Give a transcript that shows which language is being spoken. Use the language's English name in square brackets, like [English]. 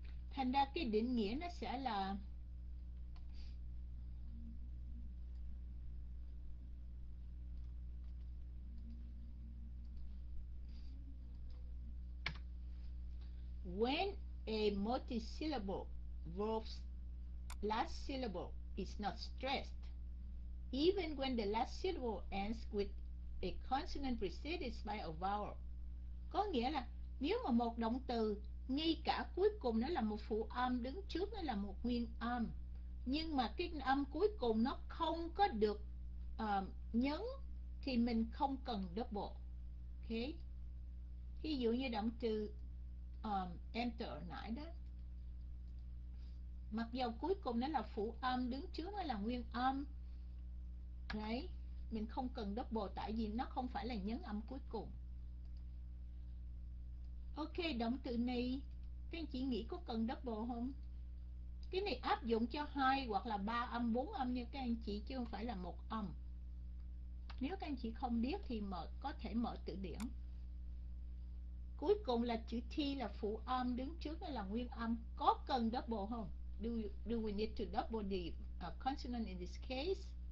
[Vietnamese] Thành ra cái định nghĩa nó sẽ là [English] when a multi-syllable verb's last syllable is not stressed. Even when the last syllable ends with a consonant preceded by a vowel. [Vietnamese] Có nghĩa là nếu mà một động từ ngay cả cuối cùng nó là một phụ âm, đứng trước nó là một nguyên âm, nhưng mà cái âm cuối cùng nó không có được nhấn thì mình không cần double. Ok, ví dụ như động từ enter nãy đó, mặc dù cuối cùng nó là phụ âm, đứng trước nó là nguyên âm đấy, mình không cần double tại vì nó không phải là nhấn âm cuối cùng. Ok, động từ này các anh chị nghĩ có cần double không? Cái này áp dụng cho hai hoặc là ba âm, bốn âm như các anh chị, chứ không phải là một âm. Nếu các anh chị không biết thì mở, có thể mở từ điển. Cuối cùng là chữ T là phụ âm, đứng trước đó là nguyên âm. Có cần double không? [English] Do we need to double the consonant in this case?